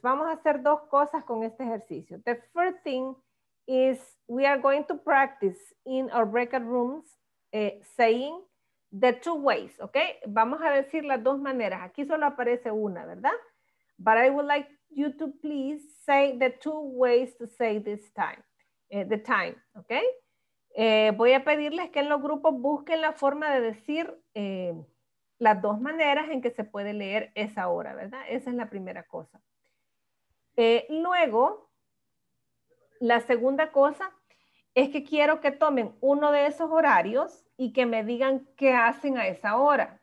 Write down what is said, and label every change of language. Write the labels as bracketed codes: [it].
[es] Vamos a hacer dos cosas con este ejercicio. [en] The first thing is we are going to practice in our breakout rooms saying the two ways, okay? [es] Vamos a decir las dos maneras. Aquí solo aparece una, ¿verdad? [en] But I would like you to please say the two ways to say this time, the time, okay? [es] Voy a pedirles que en los grupos busquen la forma de decir las dos maneras en que se puede leer esa hora, ¿verdad? Esa es la primera cosa. Luego, la segunda cosa es que quiero que tomen uno de esos horarios y que me digan qué hacen a esa hora.